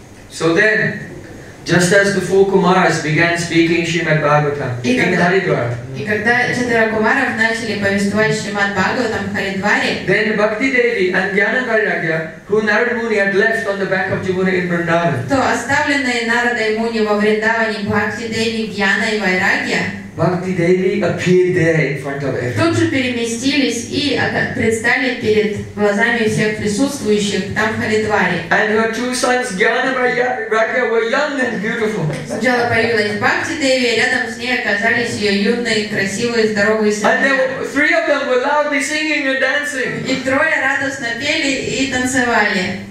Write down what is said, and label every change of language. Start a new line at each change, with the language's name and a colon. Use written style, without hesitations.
English: So then, just as the four Kumaras began speaking Shrimad Bhagavatam in Haridwar.
Russian: И когда четверо Кумаров начали повествовать Шримад Бхагаватам в Харидваре,
English: then Bhakti Devi and Jnana Vairagya, who Narada Muni had left on the back of Jivuna in Vrindavan,
Russian: то оставленные Нарадой Муни во Вриндаване Бхакти Деви, Джнана и Вайрагья,
English: Bhakti Devi appeared there in front of everyone.
Russian: Тут же переместились и предстали перед глазами всех присутствующих там в Харидваре.
English: And her two sons, Jnana Vairagya, were young and beautiful.
Russian: Сначала появилась Bhakti Devi, рядом с ней оказались ее юные, красивые, здоровые сыновья.
English: And there were three of them were loudly singing and dancing.
Russian: И трое радостно пели и танцевали.